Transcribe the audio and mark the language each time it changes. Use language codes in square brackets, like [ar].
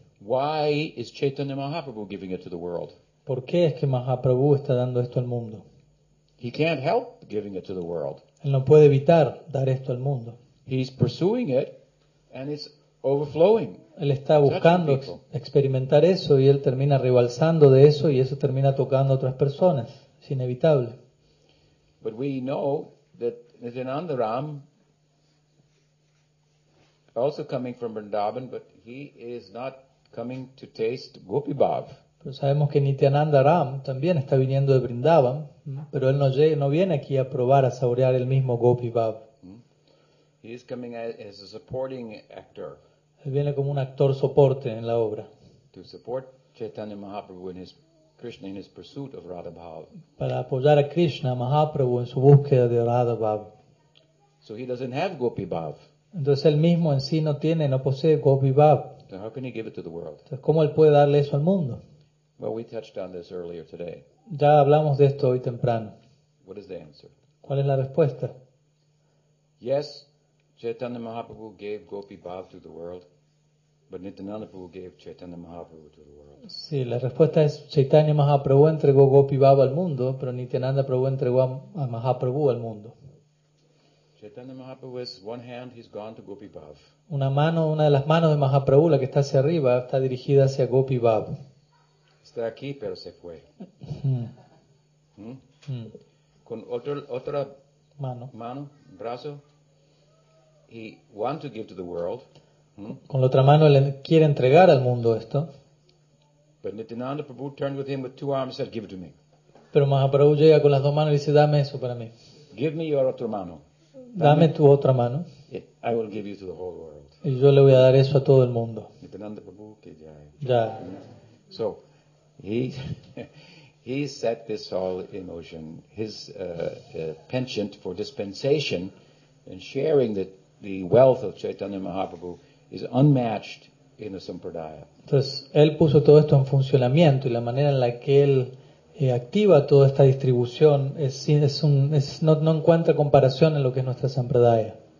[en] Why is Chaitanya Mahaprabhu giving it to the world? [es] ¿Por qué es que Mahaprabhu está dando esto al mundo? [en] He can't help giving it to the world. [es] Él no puede evitar dar esto al mundo. [en] He's pursuing it and it's overflowing. [es] Él está buscando experimentar eso y él termina rebalsando de eso y eso termina tocando a otras personas. Es inevitable. [en] But we know that Nityananda Ram, also coming from Vrindavan, but he is not coming to taste Gopi Bhav. [es] Pero sabemos que Nityananda Ram también está viniendo de Vrindavan, pero él no viene aquí a probar, a saborear el mismo Gopi Bhav. [en] He He is coming as a supporting actor. [es] Él viene como un actor soporte en la obra. [en] To support Chaitanya Mahaprabhu in his Krishna in his pursuit of Radha Bhava. [es] Para apoyar a Krishna Mahaprabhu en su búsqueda de Radha Bhava. [en] So he doesn't have Gopi Bhava. [es] Entonces él mismo en sí no tiene, no posee Gopi Bhava. [en] So how can he give it to the world? [es] Entonces, ¿cómo él puede darle eso al mundo? [en] Well, we touched on this earlier today. [es] Ya hablamos de esto hoy temprano. [en] What is the answer? [es] ¿Cuál es la respuesta? [en] Yes, Chaitanya Mahaprabhu gave Gopi Bhava to the world, but Nityananda Prabhu gave Chaitanya Mahaprabhu to the world. [es] Sí, la respuesta es Chaitanya Mahaprabhu entregó Gopi Bhava al mundo, pero Nityananda Prabhu entregó a Mahaprabhu al mundo. [en] Chaitanya Mahaprabhu is one hand, he's gone to Gopi Bhava. [es] Una mano, una de las manos de Mahaprabhu, la que está hacia arriba, está dirigida hacia Gopi Bhava. Está aquí, pero se fue. Con otra mano, [en] brazo, he wants to give to the world. [es] Con la otra mano él quiere entregar al mundo esto. [en] But Nityananda Prabhu turned with him with two arms and said, "Give it to me." [es] Pero Mahaprabhu llega con las dos manos y dice, "Dame eso para mí." [en] Give me your other mano. [es] Dame tu otra mano. [en] Yeah, I will give you to the whole world. [es] Y yo le voy a dar eso a todo el mundo. Nityananda Prabhu, que ya. Ya. [en] So, he set this all in motion. His penchant for dispensation and sharing the wealth of Chaitanya Mahaprabhu is unmatched in the Sampradaya. [es] Entonces, él puso todo esto en funcionamiento y la manera en la que él activa toda esta distribución no encuentra comparación en lo que es nuestra Sampradaya.